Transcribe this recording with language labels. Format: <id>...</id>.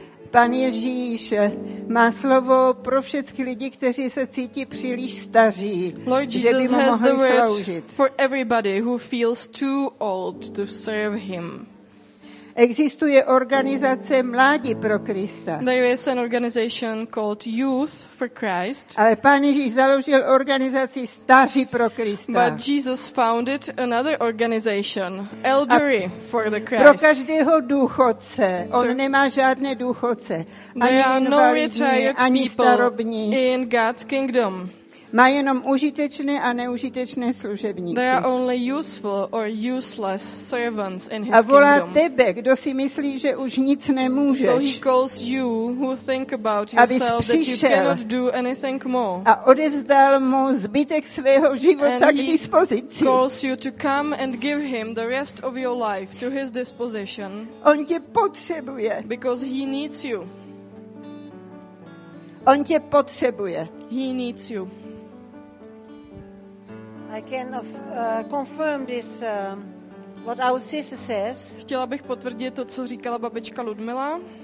<cs>Pan Ježíš má slovo pro všechny lidi, kteří se cítí příliš staří,</cs> <en>Lord</en> <cs>že by mu mohli sloužit.</cs> <en>Lord Jesus has the word for everybody who feels too old to serve him.</en> <cs>Existuje organizace Mládí pro Krista.</cs> <en>There is an organization called Youth for Christ.</en> <cs>Ale Pan Ježíš založil organizaci Staří pro Krista.</cs> <en>But Jesus founded another organization, Elderly for the Christ.</en> <cs>Pro každého důchodce. On nemá žádné důchodce. Ani invalidní, ani starobní.</cs> <en>In God's kingdom.</en> <cs>Má jenom užitečné a neužitečné služebníky.</cs> <en>There are only useful or useless servants in his</en> <cs>a volá</cs> <en>kingdom.</en> <cs>Tebe, kdo si myslí, že už nic nemůžeš.</cs> <en>So he calls you who think about yourself that you cannot do anything more.</en> <cs>A odevzdal mu zbytek svého života k dispozici.</cs> <en>Calls you to come and give him the rest of your life to his disposition.</en> <cs>On tě potřebuje.</cs> <en>Because he needs you.</en> <cs>On tě potřebuje.</cs> <en>He needs you. I can confirm this what our sister says.</en> <cs>Chtěla bych potvrdit to, co říkala babička Ludmila.</cs>